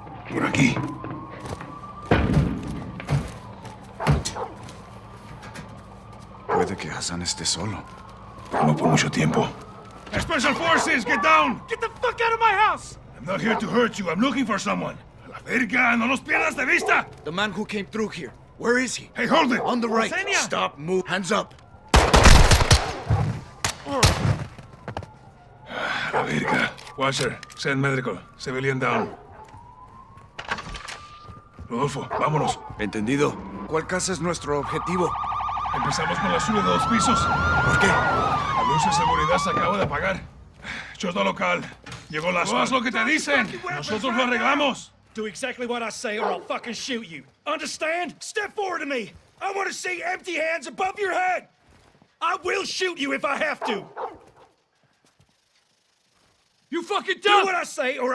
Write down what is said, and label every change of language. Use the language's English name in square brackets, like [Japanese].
[Spanish] Por aquí. Puede que Hassan esté solo. No por mucho tiempo. [English] Special Forces, get down! Get the fuck out of my house! I'm not here to hurt you, I'm looking for someone. [Spanish] A la verga, no los pierdas de vista! [English] The man who came through here. Where is he? Hey, hold it! On the right. Senia. Stop, move. Hands up. [Spanish] La verga. [English] Watcher, send medical. Civilian down. [Spanish] Rodolfo, vámonos. Entendido. ¿Cuál casa es nuestro objetivo? Empezamos con la suya de dos pisos. ¿Por qué? La luz de seguridad se acaba de apagar. Chota local. Llegó la suya. ¡No haz lo que te dicen! ¡Nosotros lo arreglamos! [English] Do exactly what I say or I'll fucking shoot you. Understand? Step forward to me. I want to see empty hands above your head. I will shoot you if I have to. You fucking dumb. Do what I say or